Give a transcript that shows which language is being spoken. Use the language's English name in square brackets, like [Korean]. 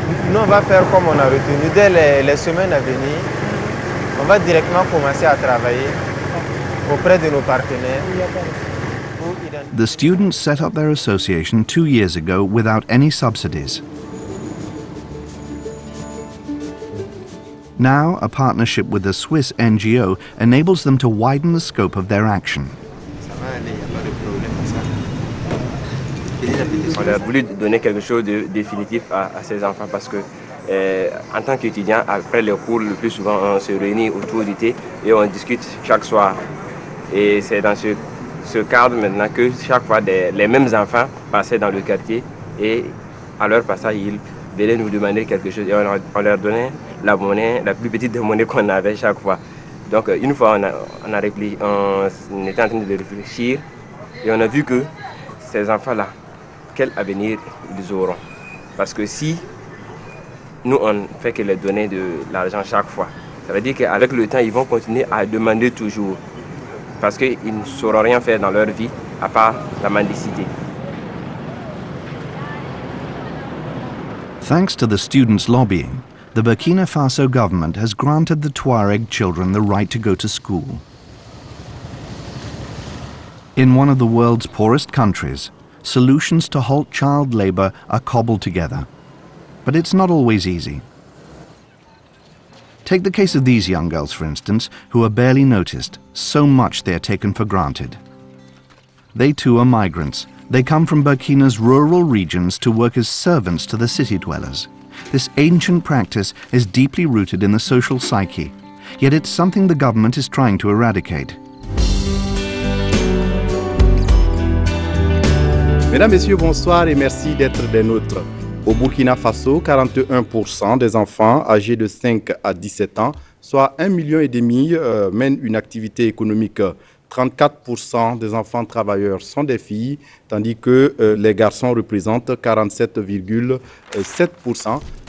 [French] Nous, on va faire comme on a retenu. Dès les semaines à venir, on va directement commencer à travailler auprès de nos partenaires. [English] The students set up their association 2 years ago without any subsidies. Now, a partnership with a Swiss NGO enables them to widen the scope of their action. [French] On a voulu donner quelque chose de définitif à ces enfants parce que, en tant qu'étudiant, après les cours, le plus souvent, on se réunit autour du thé et on discute chaque soir. Et c'est dans ce cadre maintenant que chaque fois, les mêmes enfants passaient dans le quartier et à leur passage, ils venaient nous demander quelque chose et on leur donnait la monnaie, la plus petite des monnaies qu'on avait chaque fois. Donc, une fois, on était en train de réfléchir et on a vu que ces enfants-là, quel avenir ils auront? Parce que si nous on fait que les donner de l'argent chaque fois, ça veut dire qu'avec le temps ils vont continuer à demander toujours parce qu'ils ne sauront rien faire dans leur vie à part la mendicité. [English] Thanks to the students' lobbying, the Burkina Faso government has granted the Tuareg children the right to go to school. In one of the world's poorest countries, solutions to halt child labor are cobbled together. But it's not always easy. Take the case of these young girls, for instance, who are barely noticed, so much they are taken for granted. They too are migrants. They come from Burkina's rural regions to work as servants to the city dwellers. This ancient practice is deeply rooted in the social psyche, yet it's something the government is trying to eradicate. [French] Mesdames, Messieurs, bonsoir et merci d'être des nôtres. Au Burkina Faso, 41% des enfants âgés de 5 à 17 ans, soit 1,5 million, mènent une activité économique. 34% des enfants travailleurs sont des filles, tandis que les garçons représentent 47,7%.